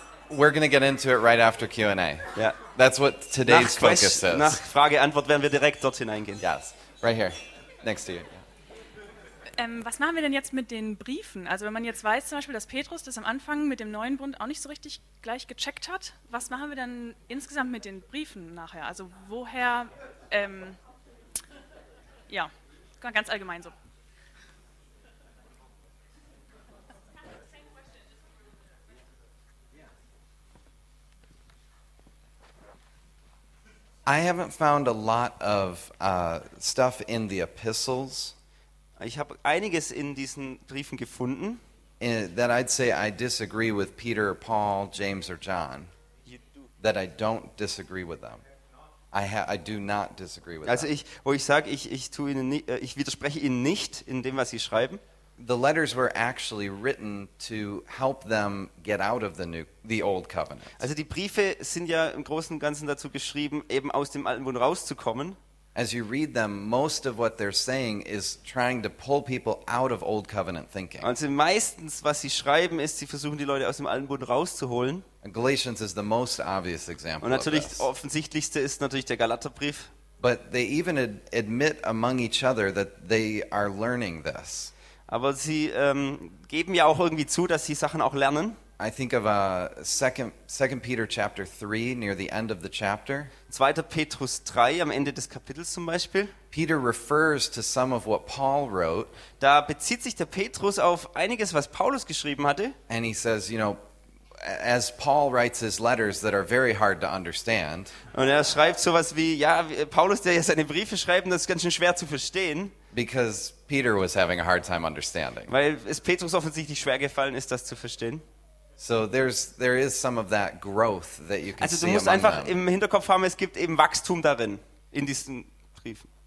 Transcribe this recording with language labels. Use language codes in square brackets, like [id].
[en] We're going to get into it right after Q&A. Yeah. That's what today's focus is. [de] Nach Frage-Antwort werden wir direkt dort hineingehen. [en] Yes, right here, next to you. [de] Was machen wir denn jetzt mit den Briefen? Also wenn man jetzt weiß zum Beispiel, dass Petrus das am Anfang mit dem neuen Bund auch nicht so richtig gleich gecheckt hat, was machen wir dann insgesamt mit den Briefen nachher? Also woher, ja, ganz allgemein so. [en] I haven't found a lot of stuff in the epistles. [de] Ich habe einiges in diesen Briefen gefunden. [en] That I'd say I disagree with Peter, Paul, James or John. That I don't disagree with them. I do not disagree with them. [de] Also ich widerspreche ihnen nicht in dem, was sie schreiben. [en] The letters were actually written to help them get out of the old covenant. [de] Also die Briefe sind ja im Großen und Ganzen dazu geschrieben, eben aus dem alten Bund rauszukommen. [en] As you read them, most of what they're saying is trying to pull people out of old covenant thinking. [de] Also meistens, was sie schreiben, ist, sie versuchen die Leute aus dem alten Bund rauszuholen. [en] And Galatians is the most obvious example. [de] Und natürlich das offensichtlichste ist natürlich der Galaterbrief. [en] But they even admit among each other that they are learning this. [de] Aber sie geben ja auch irgendwie zu, dass sie Sachen auch lernen. [en] I think of a second Peter chapter 3 near the end of the chapter. [de] 2. Petrus 3 am Ende des Kapitels zum Beispiel. [en] Peter refers to some of what Paul wrote. [de] Da bezieht sich der Petrus auf einiges, was Paulus geschrieben hatte. [en] And he says, you know, as Paul writes his letters that are very hard to understand. [de] Und er schreibt sowas wie, ja, Paulus, der ja seine Briefe schreibt, das ist ganz schön schwer zu verstehen. [en] Because Peter was having a hard time understanding. [de] Weil es Petrus offensichtlich schwer gefallen ist, das zu verstehen. [en] So there is some of that growth that you can [de] also, [en] see. [de] Also du musst einfach [en] them. [de] Im Hinterkopf haben, es gibt eben Wachstum darin in diesen Briefen.